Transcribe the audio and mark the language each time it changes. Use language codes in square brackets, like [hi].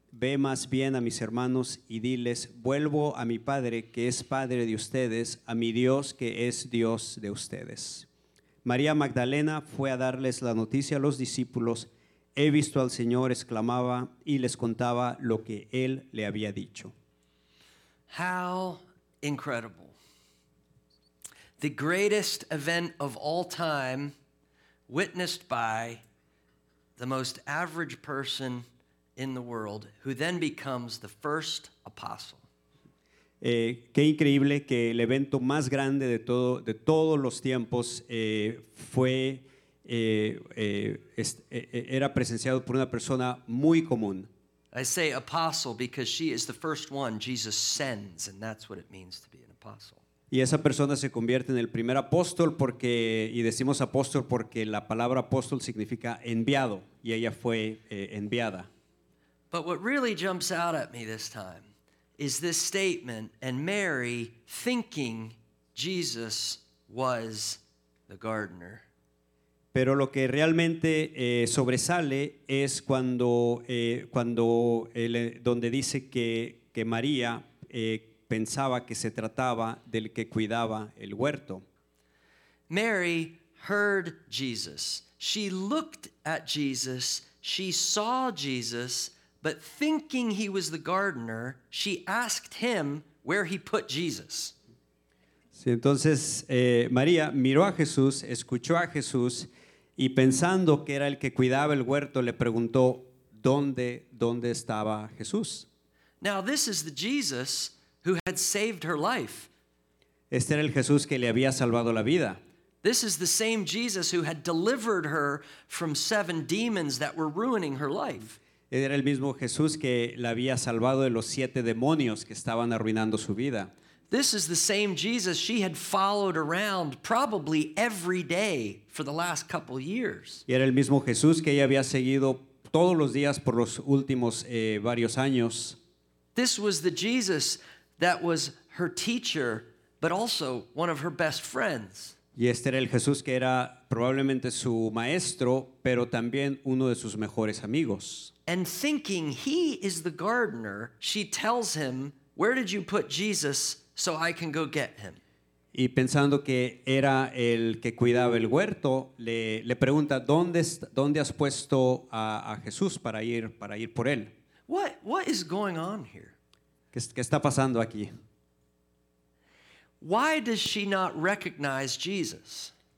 [es] Ve más bien a mis hermanos y diles, vuelvo a mi Padre que es Padre de ustedes, a mi Dios que es Dios de ustedes. María Magdalena fue a darles la noticia a los discípulos, he visto al Señor, exclamaba, y les contaba lo que Él le había dicho. [en] How incredible. The greatest event of all time, witnessed by the most average person in the world, who then becomes the first apostle. [es] Qué increíble que el evento más grande de todos los tiempos era presenciado por una persona muy común. [en] I say apostle because she is the first one Jesus sends, and that's what it means to be an apostle. [es] Y esa persona se convierte en el primer apóstol porque, y decimos apóstol porque la palabra apóstol significa enviado, y ella fue enviada. [en] But what really jumps out at me this time is this statement and Mary thinking Jesus was the gardener. [es] Pero lo que realmente sobresale es donde dice que María pensaba que se trataba del que cuidaba el huerto. [en] Mary heard Jesus. She looked at Jesus. She saw Jesus. But thinking he was the gardener, she asked him where he put Jesus. [es] Sí, entonces María miró a Jesús, escuchó a Jesús, y pensando que era el que cuidaba el huerto, le preguntó dónde estaba Jesús. [en] Now this is the Jesus who had saved her life. [es] Este era el Jesús que le había salvado la vida. [en] This is the same Jesus who had delivered her from 7 demons that were ruining her life. [es] Era el mismo Jesús que la había salvado de los 7 demonios que estaban arruinando su vida. [en] This is the same Jesus she had followed around probably every day for the last couple years. [es] Y era el mismo Jesús que ella había seguido todos los días por los últimos varios años. [en] This was the Jesus that was her teacher, but also one of her best friends. [es] Y este era el Jesús que era probablemente su maestro, pero también uno de sus mejores amigos. [en] And thinking he is the gardener, she tells him, where did you put Jesus so I can go get him? [es] Y pensando que era el que cuidaba el huerto, le pregunta, ¿dónde has puesto a Jesús para ir por él? [en] What is going on here? [es] ¿Qué está pasando aquí? [en] Why does she not recognize Jesus?